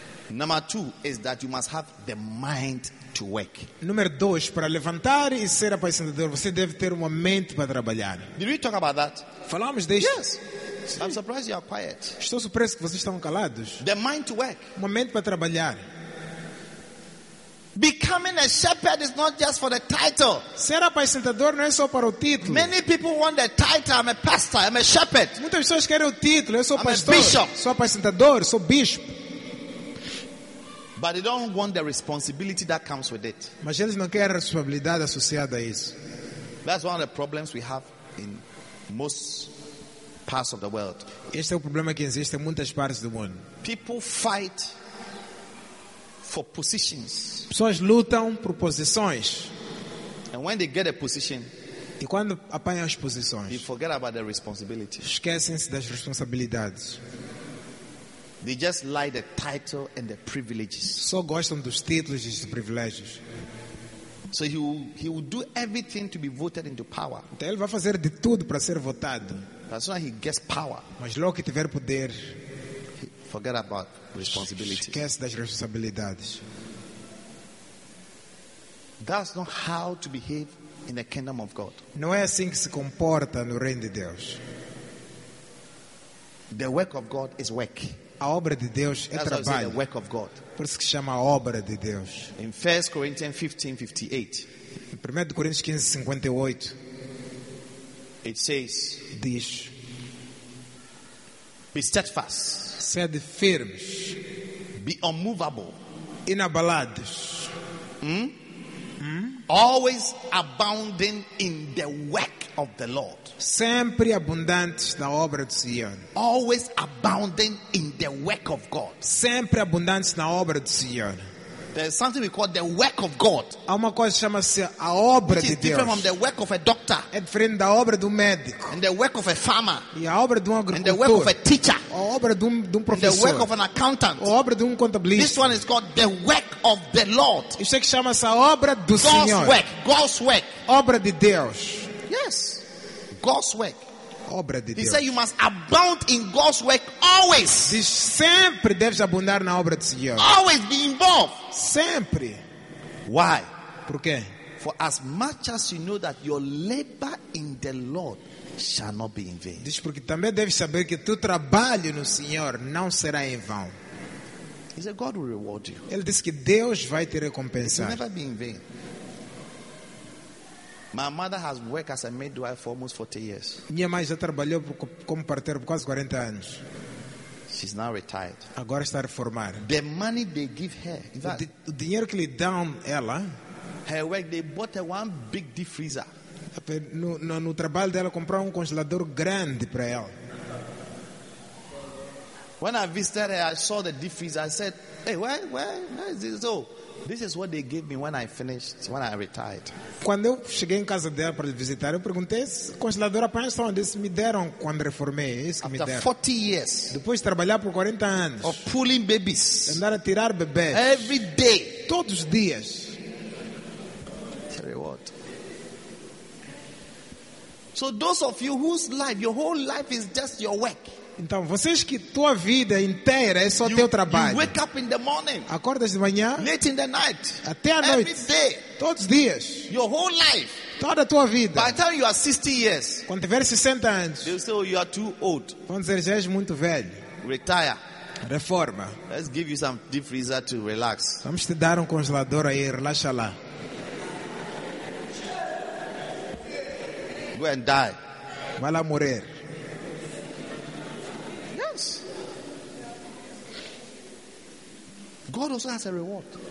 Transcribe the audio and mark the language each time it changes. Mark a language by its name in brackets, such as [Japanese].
[English] Number two is that you must have the mind to work. [Portuguese] Número dois, para levantar e ser apacentador, você deve ter uma mente para trabalhar. [English] Did we talk about that? [Portuguese] Falamos disso? [English] Yes. [Portuguese] Sim. [English] I'm surprised you are quiet. [Portuguese] Estou surpreso que vocês estão calados. [English] The mind to work. [Portuguese] Uma mente para trabalhar. [English] Becoming a shepherd is not just for the title. [Portuguese] Ser apacentador não é só para o título. [English] Many people want the title. I'm a pastor. I'm a shepherd. [Portuguese] Muitas pessoas querem o título. Eu sou [English] I'm [Portuguese] pastor. [English] A bishop. [Portuguese] Sou apacentador. Sou bispo. [English] But they don't want the responsibility that comes with it. [Portuguese] Mas eles não querem a responsabilidade associada a isso. [English] That's one of the problems we have in most parts of the world. [Portuguese] Este é o problema que existe em muitas partes do mundo. [English] People fight for positions. [Portuguese] Pessoas lutam por posições. [English] And when they get a position, [Portuguese] e quando apanham as posições, [English] they forget about their responsibility. [Portuguese] Esquecem-se das responsabilidades. [English] They just like the title and the privileges. [Portuguese] Só gostam dos títulos e dos privilégios. [English] So he will do everything to be voted into power. [Portuguese] Então ele vai fazer de tudo para ser votado. [English] That's why he gets power. [Portuguese] Mas logo que tiver poder, [English] he forget about responsibility. [Portuguese] Esquece das responsabilidades. [English] That's not how to behave in the kingdom of God. [Portuguese] Não é assim que se comporta no reino de Deus. [English] The work of God is work. [Portuguese] A obra de Deus é [English] That's [Portuguese] trabalho. [English] Saying, the work of God. [Portuguese] Por isso que se chama a obra de Deus. [English] In 1 Corinthians 15:58. [Portuguese] Em 1 Coríntios 15:58. [English] It says, [Portuguese] diz, [English] be steadfast. [Portuguese] Sede firmes. [English] Be unmovable. [Portuguese] Inabalados. [English] Always abounding in the work of the Lord. [Portuguese] Sempre abundantes na obra do Senhor. [English] Always abounding in the work of God. [Portuguese] Sempre abundantes na obra do Senhor. [English] There's something we call the work of God. [Portuguese] Há uma coisa que chama-se a obra de Deus. [English] Which is different from the work of a doctor. [Portuguese] É diferente da obra do médico. [English] And the work of a farmer. [Portuguese] E a obra de um agricultor. [English] And the work of a teacher. [Portuguese] A obra de um professor. [English] And the work of an accountant. [Portuguese] A obra de um contabilista. [English] This one is called the work of the Lord. [Portuguese] Isso é que chama-se a obra do Senhor. [English] God's work. God's work. [Portuguese] Obra de Deus. [English] Yes. God's work. [Portuguese] Obra de [English] he [Portuguese] Deus. [English] Said you must abound in God's work always. [Portuguese] Diz, sempre deves abundar na obra do Senhor. [English] Always be involved. [Portuguese] Sempre. [English] Why? [Portuguese] Por quê? [English] For as much as you know that your labor in the Lord shall not be in vain. [Portuguese] Diz, porque também deves saber que teu trabalho no Senhor não será em vão. [English] He said God will reward you. [Portuguese] Ele disse que Deus vai te recompensar. [English] It will never be in vain. My mother has worked as a midwife for almost 40 years. [Portuguese] Minha mãe já trabalhou como parteira por quase 40 anos. [English] She's now retired. [Portuguese] Agora está reformada. [English] The money they give her, [Portuguese] o dinheiro que lhe dão ela. [English] Her work, they bought her one big deep freezer. [Portuguese] No trabalho dela comprou congelador grande para ela. [English] When I visited her, I saw the deep freezer. I said, "Hey, where is this?" So, this is what they gave me when I finished, when I retired. [Portuguese] Quando eu cheguei em casa dela para visitar, eu perguntei se o congelador apanhou. Disse, me deram quando reformei. Isso que [English] after [Portuguese] me deram. [English] 40 years. [Portuguese] Depois de trabalhar por 40 anos. [English] Of pulling babies. [Portuguese] Andar a tirar bebês. [English] Every day. [Portuguese] Todos os dias. [English] Tell you what. So those of you whose life, your whole life is just your work. [Portuguese] Então, vocês que tua vida inteira é só [English] you, [Portuguese] teu trabalho. [English] You wake up in the morning. [Portuguese] Acordas de manhã. [English] Late in the night. [Portuguese] Até à noite. [English] Every day. [Portuguese] Todos os dias. [English] Your whole life. [Portuguese] Toda a tua vida. [English] By the time you are 60 years. [Portuguese] Quando tiver 60 anos. [English] They say, oh, you are too old. [Portuguese] Vão dizer, já és muito velho. [English] Retire. [Portuguese] Reforma. [English] Let's give you some deep freezer to relax. [Portuguese] Vamos te dar um congelador aí, relaxa lá. [English] Go and die. [Portuguese] Vai lá morrer. [English] Yes. God also has a reward.